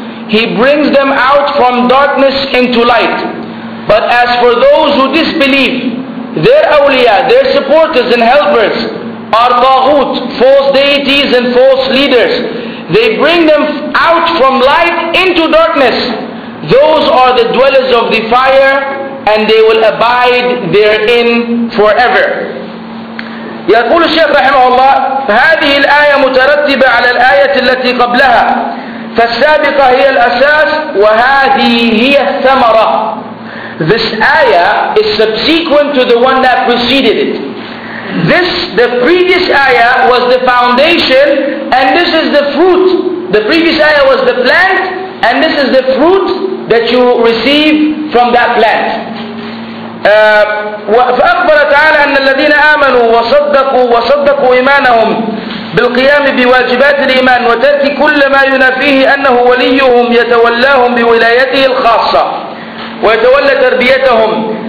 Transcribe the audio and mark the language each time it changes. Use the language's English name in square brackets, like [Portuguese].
[English] He brings them out from darkness into light. But as for those who disbelieve, their awliya, their supporters and helpers, are taghut, false deities and false leaders. They bring them out from light into darkness. Those are the dwellers of the fire, and they will abide therein forever. [Arabic] يقول الشيخ رحمه الله: فهذه الآية مترتبة على الآية التي قبلها، فالسابقة هي الأساس وهذه هي الثمرة. [English] This ayah is subsequent to the one that preceded it. The previous ayah was the foundation and this is the fruit. The previous ayah was the plant and this is the fruit that you receive from that plant. [Arabic] فأخبر تعالى أن الذين آمنوا وصدقوا إيمانهم بالقيام بواجبات الإيمان وترك كل ما ينافيه أنه وليهم يتولاهم بولايته الخاصة ويتولى تربيتهم.